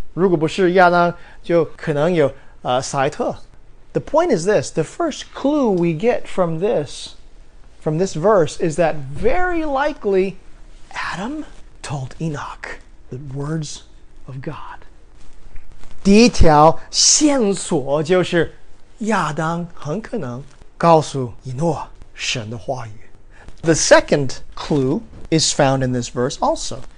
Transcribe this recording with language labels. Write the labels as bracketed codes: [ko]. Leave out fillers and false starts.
[zh] 如果不是亚当，就可能有赛特。 [en] The point is this, the first clue we get from this verse is that very likely Adam told Enoch the words of God. [zh] 第一条线索就是亚当很可能告诉以诺神的话语。 [en] The second clue is found in this verse also.